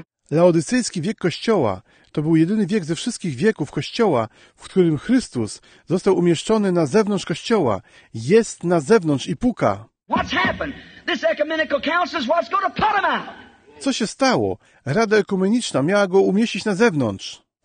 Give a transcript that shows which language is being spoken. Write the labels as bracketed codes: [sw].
[pl] Laodycejski wiek Kościoła to był jedyny wiek ze wszystkich wieków Kościoła, w którym Chrystus został umieszczony na zewnątrz Kościoła. Jest na zewnątrz i puka. [en] What's happened? This ecumenical council is what's going to put him out. [pl] Co się stało? Rada Ekumeniczna miała go umieścić na zewnątrz.